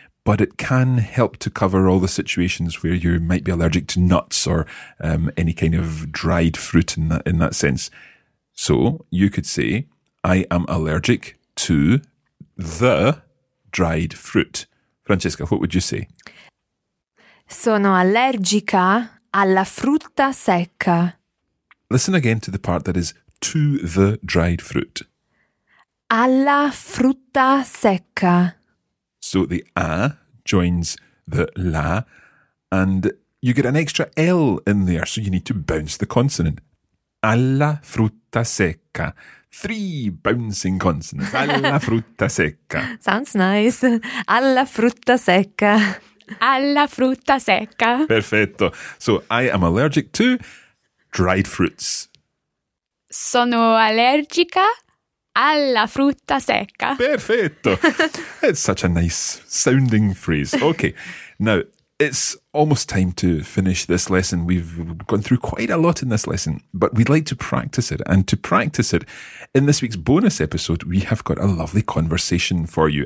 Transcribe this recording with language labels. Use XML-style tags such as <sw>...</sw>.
<en>But it can help to cover all the situations where you might be allergic to nuts or any kind of dried fruit in that sense. So you could say, I am allergic to the dried fruit. Francesca, what would you say?</en> <it>Sono allergica alla frutta secca.</it> <en>Listen again to the part that is to the dried fruit.</en> <it>Alla frutta secca.</it> <en>So the a joins the la, and you get an extra L in there, so you need to bounce the consonant.</en> <it>Alla frutta secca.</it> <en>Three bouncing consonants.</en> <it>Alla frutta secca.</it> <en>Sounds nice.</en> <it>Alla frutta secca. Alla frutta secca. Perfetto.</it> <en>So I am allergic to dried fruits.</en> <it>Sono allergica alla frutta secca. Perfetto.</it> <en>It's such a nice sounding phrase. Okay. Now, it's almost time to finish this lesson. We've gone through quite a lot in this lesson, but we'd like to practice it. And to practice it, in this week's bonus episode, we have got a lovely conversation for you.</en>